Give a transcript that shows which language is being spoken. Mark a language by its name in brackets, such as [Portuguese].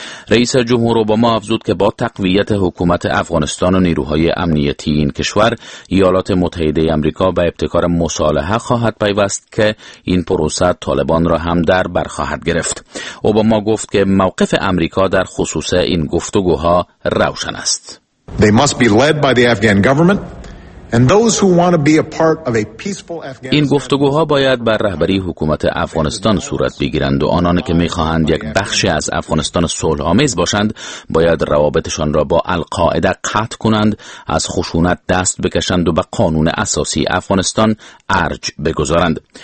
[Persian] رئیس جمهور اوباما افزود که با تقویت حکومت افغانستان و نیروهای امنیتی این کشور، ایالات متحده آمریکا به ابتکار مصالحه خواهد پیوست که این پروسه طالبان را هم در بر خواهد گرفت. اوباما گفت که موقف آمریکا در خصوص این گفتگوها روشن است. [English] They must be led by the Afghan government. And those who want to be a part of a peaceful Afghanistan. [Persian] این گفتگوها باید بر رهبری حکومت افغانستان صورت بگیرند و آنان که می‌خواهند یک بخشی از افغانستان صلح‌آمیز باشند، باید روابطشان را با القاعده قطع کنند، از خشونت دست بکشند و به قانون اساسی افغانستان ارج بگذارند.